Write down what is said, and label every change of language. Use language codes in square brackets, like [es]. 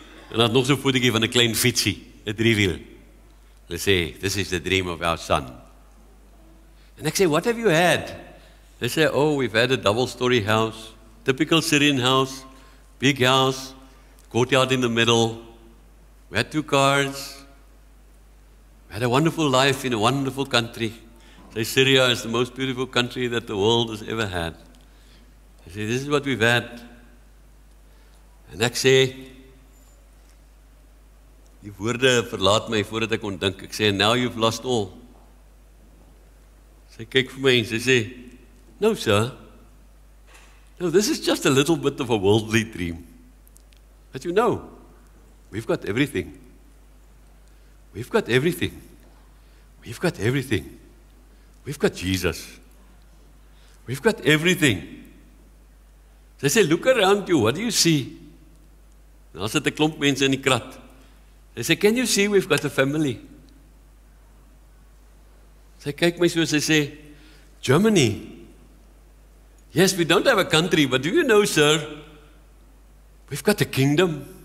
[af] En dan is nog so'n fotokie van 'n klein fietsie, 'n driewiel. Hulle sê, [en] this is the dream of our son. [af] En ek sê, [en] what have you had? [af] Hulle sê, [en] oh, we've had a double-story house, typical Syrian house, big house, courtyard in the middle, we had 2 cars, we had a wonderful life in a wonderful country. Sê, Syria is the most beautiful country that the world has ever had. [af] Hulle sê, [en] this is what we've had. [af] En ek sê, die woorde verlaat my voordat ek ontdink. Ek sê, [en] now you've lost all. [af] Sy kyk vir my en sy sê, [en] no sir, no, this is just a little bit of a worldly dream. But you know, we've got everything. We've got everything. We've got everything. We've got Jesus. We've got everything. [af] Sy sê, [en] look around you, what do you see? [af] En daar sit 'n klomp mense in die krat. Hy sê, [en] can you see we've got a family? [af] Sy kyk my so, sy sê, [en] Germany, Yes, we don't have a country, but do you know, sir, we've got a kingdom.